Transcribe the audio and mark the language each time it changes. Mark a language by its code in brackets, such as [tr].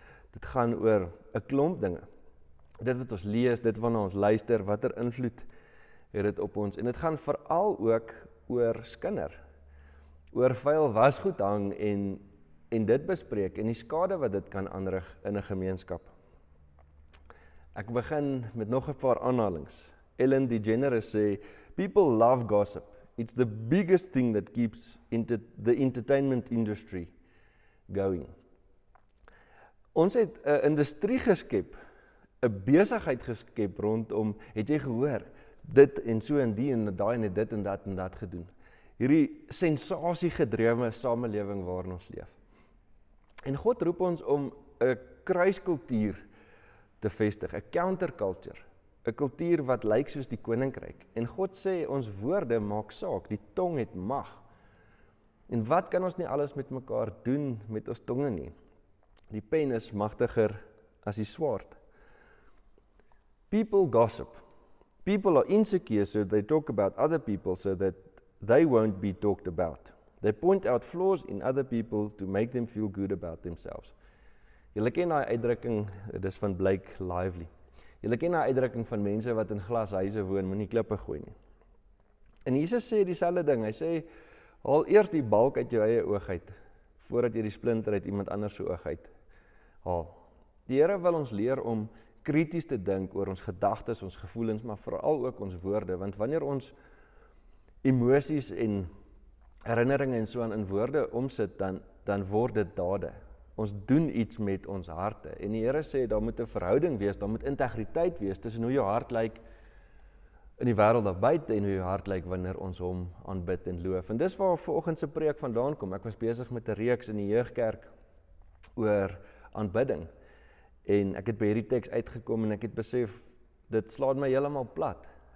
[af] Dit gaan oor 'n klomp dinge. Dit wat ons lees, dit waarna ons luister, watter invloed het dit op ons? En dit gaan veral ook oor skinder. Oor vuil wasgoed hang en dit bespreek en die skade wat dit kan aanrig in 'n gemeenskap. Ek begin met nog 'n paar aanhalings. [en] Ellen DeGeneres [af] sê, [en] "People love gossip. It's the biggest thing that keeps the entertainment industry going." [af] Ons het 'n industrie geskep, 'n besigheid geskep rondom, het jy gehoor, dit en so en die en daai en dit en dat gedoen. Hierdie sensasiegedrewe samelewing waarin ons leef. En God roep ons om 'n kruiskultuur te vestig, 'n counterculture, 'n kultuur wat lyk soos die koninkryk. En God sê ons woorde maak saak, die tong het mag. En wat kan ons nie alles met mekaar doen met ons tonge nie? Die pen is magtiger as die swaard. [en] People gossip. People are insecure, so they talk about other people so that they won't be talked about. They point out flaws in other people to make them feel good about themselves. [af] Julle ken daai uitdrukking, dis van Blake Lively. Julle ken daai uitdrukking van mense wat in glashuise woon, moenie klippe gooi nie. En Jesus sê dieselfde ding. Hy sê haal eers die balk uit jou eie oog uit voordat jy die splinter uit iemand anders se oog uit haal. Die Here wil ons leer om krities te dink oor ons gedagtes, ons gevoelens, maar veral ook ons woorde, want wanneer ons emosies en herinneringe en so aan in woorde omsit, dan word dit dade. Ons doen iets met ons harte. En die Here sê, daar moet 'n verhouding wees, daar moet integriteit wees tussen hoe jou hart lyk in die wêreld daar buite en hoe jou hart lyk wanneer ons hom aanbid en loof. En dis waar vanoggend se preek vandaan kom. Ek was besig met 'n reeks in die jeugkerk oor aanbidding. En ek het by hierdie teks uitgekom en ek het besef, dit slaan my heeltemal plat.